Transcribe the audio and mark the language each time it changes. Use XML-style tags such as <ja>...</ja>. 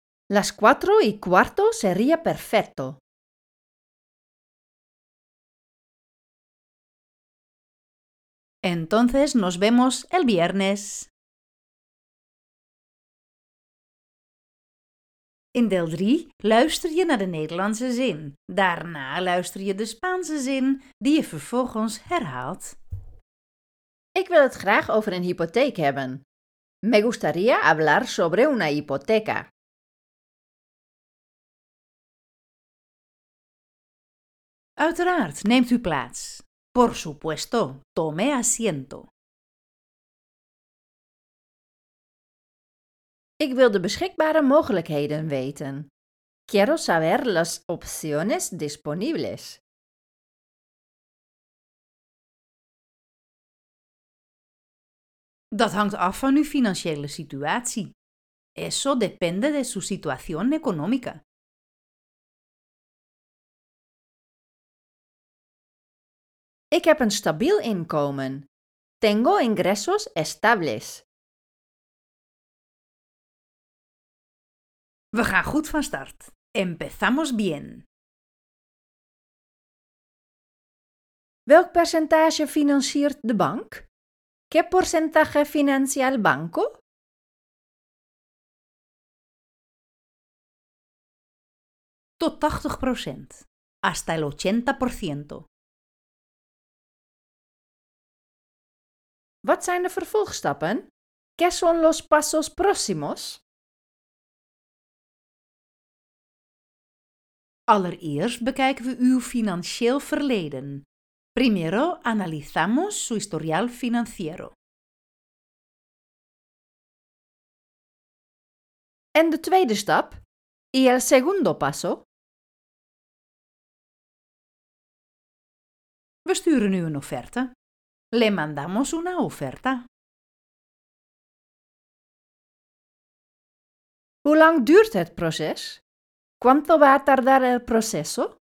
<es>Las 4:15 sería perfecto. Entonces nos vemos el viernes.</es> <nl>In deel 3 luister je naar de Nederlandse zin. Daarna luister je de Spaanse zin die je vervolgens herhaalt. Ik wil het graag over een hypotheek hebben.</nl> <es>Me gustaría hablar sobre una hipoteca.</es> <nl>Uiteraard, neemt u plaats.</nl> <es>Por supuesto, tome asiento.</es> <nl>Ik wil de beschikbare mogelijkheden weten.</nl> <es>Quiero saber las opciones disponibles.</es> <nl>Dat hangt af van uw financiële situatie.</nl> <es>Eso depende de su situación económica.</es> <nl>Ik heb een stabiel inkomen.</nl> <es>Tengo ingresos estables.</es> <nl>We gaan goed van start.</nl> <es>Empezamos bien.</es> <nl>Welk percentage financiert de bank?</nl> <es>¿Qué porcentaje financia el banco?</es> <nl>Tot 80%.</nl> <es>Hasta el 80%.</es> <nl>Wat zijn de vervolgstappen?</nl> <es>¿Qué son los pasos próximos?</es> <nl>Allereerst bekijken we uw financieel verleden.</nl> <es>Primero analizamos su historial financiero.</es> <nl>En de tweede stap,</nl> <es>y el segundo paso.</es> <nl>We sturen u een offerte.</nl> <es>Le mandamos una oferta.</es> <nl>Hoe lang duurt het proces?</nl> <es>¿Cuánto va a tardar el proceso?</es>